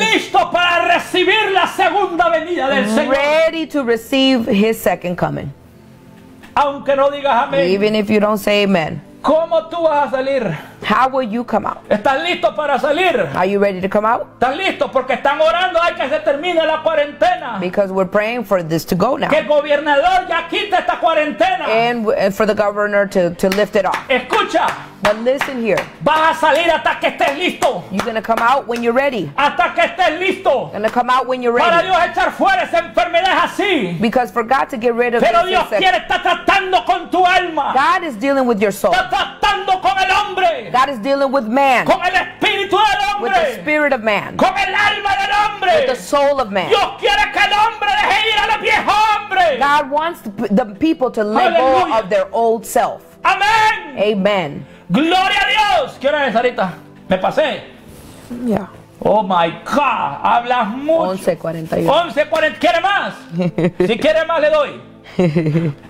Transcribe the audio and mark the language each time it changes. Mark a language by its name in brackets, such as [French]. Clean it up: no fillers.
[Spanish] Listo para recibir la segunda venida del Señor. [English] Ready to receive his second coming. [Spanish] Aunque no digas amén. [English] Even if you don't say amen. [Spanish] ¿Cómo tú vas a salir? [English] How will you come out? [Spanish] ¿Estás listo para salir? [English] Are you ready to come out? [Spanish] ¿Estás listo? Porque están orando, hay que se termine la cuarentena. [English] Because we're praying for this to go now. [Spanish] Que el gobernador ya quite esta cuarentena. [English] And for the governor to lift it off. [Spanish] Escucha. [English] But listen here. [Spanish] Vas a salir hasta que estés listo. [English] You're going to come out when you're ready. [Spanish] Hasta que estés listo. [English] Going to come out when you're ready. [Spanish] Para Dios echar fuera esa enfermedad así. [English] Because for God to get rid of [Spanish] it. Pero Dios quiere estar tratando con tu alma. [English] God is dealing with your soul. [Spanish] Está tratando con el hombre. [English] God is dealing with man. [Spanish] Con el espíritu del hombre. [English] With the spirit of man. [Spanish] Con el alma del hombre. [English] With the soul of man. [Spanish] Dios quiere que el hombre deje ir a la vieja hombre. [English] God wants the people to let go of their old self. Amen. Amen. [Spanish] Gloria a Dios. ¿Qué hora es, Sarita? ¿Me pasé? [English] Yeah. Oh my God. [Spanish] Hablas mucho. 11:41. 11:40. ¿Quiere más? Si quiere más, le doy.